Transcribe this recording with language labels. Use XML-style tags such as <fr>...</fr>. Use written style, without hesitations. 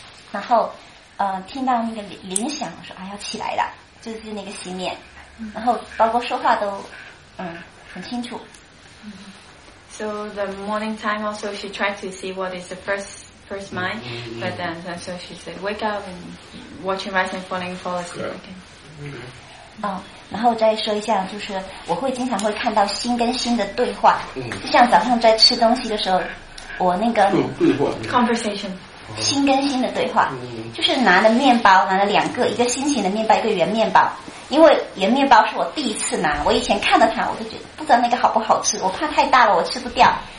<zh>然后听到那个铃响，我说啊要起来了，就是那个心念，然后包括说话都很清楚。</zh> <en>So the morning time also she tried to see what is the first mind, but then so she said wake up and watching rising falling fall asleep again.</en> <zh>然后再说一下，就是我会经常会看到心跟心的对话，就像早上在吃东西的时候，我那个对话</zh> <en>conversation</en> <zh>心跟心的对话，就是拿了面包，拿了两个，一个心形的面包，一个圆面包。因为圆面包是我第一次拿，我以前看到它，我就觉得不知道那个好不好吃，我怕太大了我吃不掉。</zh>